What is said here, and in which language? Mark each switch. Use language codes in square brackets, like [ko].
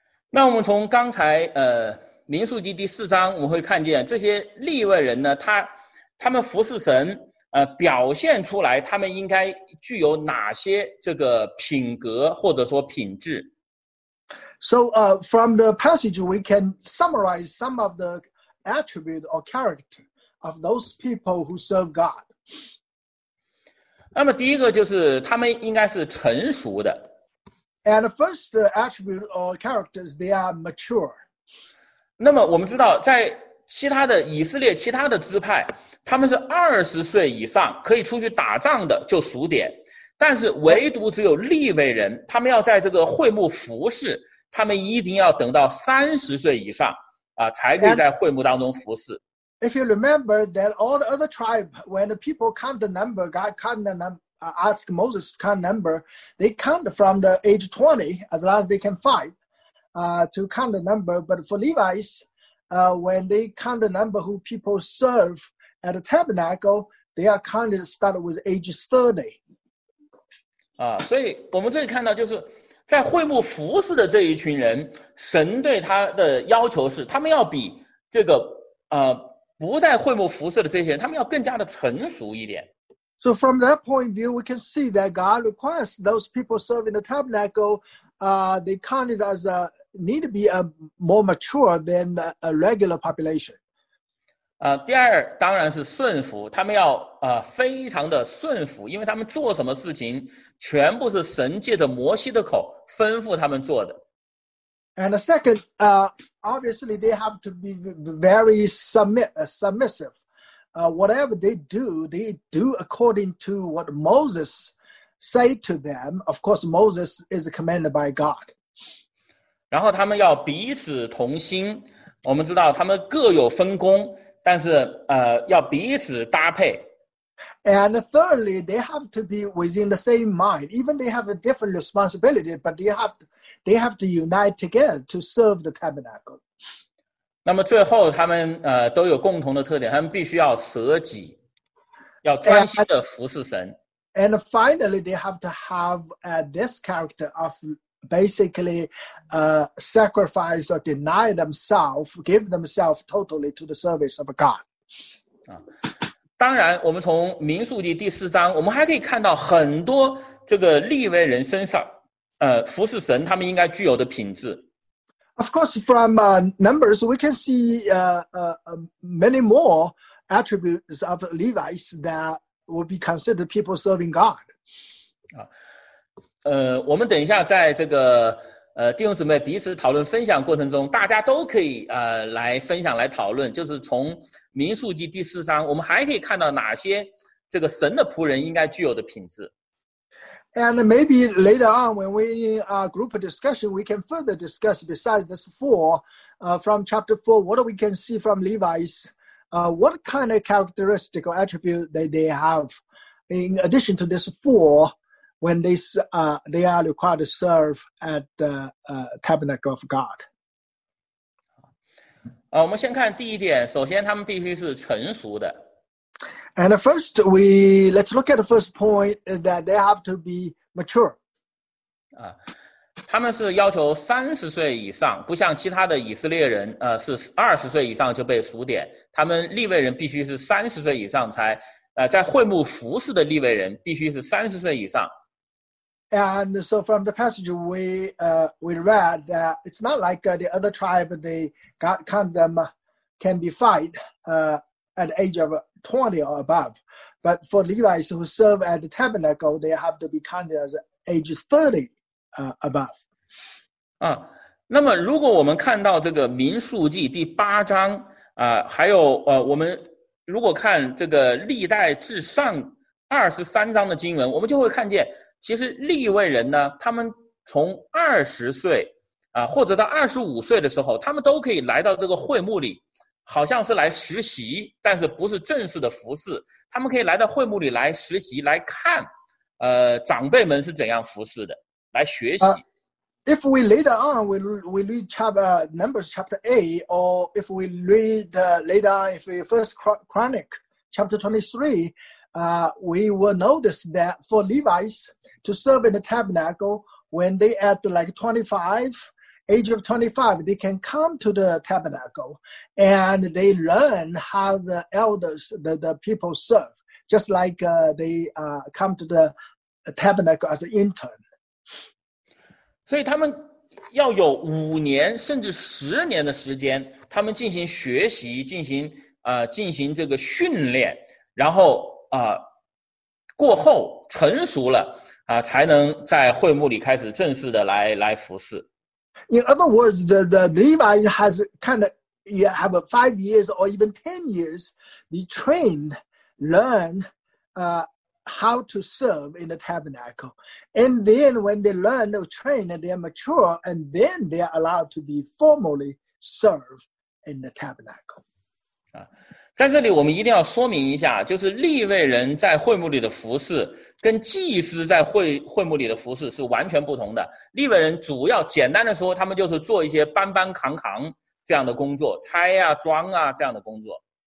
[zh] 那我们从刚才民数记第四章，我们会看见这些利未人呢，他们服侍神，表现出来他们应该具有哪些这个品格或者说品质。 [en] So, from the passage, we can summarize some of the attribute or character of those people who serve God. [zh] 那么第一个就是他们应该是成熟的。 [en] And the first attribute or characters, they are mature. [zh] 那么我们知道在其他的以色列其他的支派，他们是20岁以上可以出去打仗的就属典，但是唯独只有利未人，他们要在这个会幕服侍，他们一定要等到30岁以上才可以在会幕当中服侍。 [en] If you remember that all the other tribe, when the people count the number, God count the number,ask Moses to count number, they count from the age 20, as long as they can fight, to count the number. But for Levites, when they count the number who people serve at the tabernacle, they are counted started with age 30. [zh] 所以我们这里看到就是在会幕服侍的这一群人，神对他的要求是他们要比这个不在会幕服侍的这些人，他们要更加的成熟一点。 [en] So from that point of view, we can see that God requires those people serving the tabernacle, they counted as need to be more mature than a regular population. [zh] 第二当然是顺服，他们要非常的顺服，因为他们做什么事情全部是神借着摩西的口吩咐他们做的。 [en] And the second, obviously they have to be very submissive. Whatever they do according to what Moses say to them. Of course, Moses is commanded by God. [zh] 然后他们要彼此同心，我们知道他们各有分工，但是要彼此搭配。 [en] And thirdly, they have to be within the same mind. Even they have a different responsibility, but they have to unite together to serve the tabernacle. [zh] 那么最后他们都有共同的特点，他们必须要舍己，要专心的服侍神。 [en] And finally, they have to have this character of basically sacrifice or deny themselves, give themselves totally to the service of God. [zh] 当然我们从民数记第四章我们还可以看到很多这个利未人身上服侍神他们应该具有的品质。 [en] Of course, from Numbers, we can see many more attributes of Levites that will be considered people serving God. [zh] 我们等一下在这个弟兄姊妹彼此讨论分享过程中大家都可以来分享来讨论，就是从民数记第四章我们还可以看到哪些这个神的仆人应该具有的品质。 [en] And maybe later on, when we in a group discussion, we can further discuss besides this four, from chapter four, what we can see from Levites, what kind of characteristic or attribute they have in addition to this four, when they are required to serve at the tabernacle of God. [zh] 我们先看第一点，首先他们必须是成熟的。 [en] And first, let's look at the first point that they have to be mature. [zh] 他们是要求30岁以上，不像其他的以色列人，是20岁以上就被数点。他们利未人必须是30岁以上才，在会幕服侍的利未人必须是30岁以上。 [en] And so from the passage, we read that it's not like the other tribe, they God count them can be fight at the age of 20 or above. But for Levites who serve at the tabernacle, they have to be counted as age 30 above. [zh] 那么如果我们看到这个民数记第八章还有我们如果看这个历代至上23章的经文，我们就会看见其实利未人呢，他们从20岁或者到25岁的时候，他们都可以来到这个会幕里，好像是来实习，但是不是正式的服侍。他们可以来到会幕里来实习，来看长辈们是怎样服侍的，来学习。 [en] If we later on, we read chapter, Numbers chapter 8, or if we read later on, if we first chronic chapter 23, we will notice that for Levites,to serve in the tabernacle, when they at like 25, age of 25, they can come to the tabernacle and they learn how the elders, the people serve, just like they come to the tabernacle as an intern. [zh] 所以他们要有5年甚至10年的时间，他们进行学习，进行这个训练，然后过后成熟了。才能在会幕里开始正式的来服侍。 [en] In other words, the Levi has kind of you have a 5 years or even 10 years be trained, learn how to serve in the tabernacle. And then when they learn or train and they are mature, and then they are allowed to be formally serve in the tabernacle. [zh] 在这里我们一定要说明一下，就是利未人在会幕里的服侍跟祭司在会幕里的服侍是完全不同的。利未人主要简单的说，他们就是做一些搬搬扛扛这样的工作，拆啊装啊这样的工作。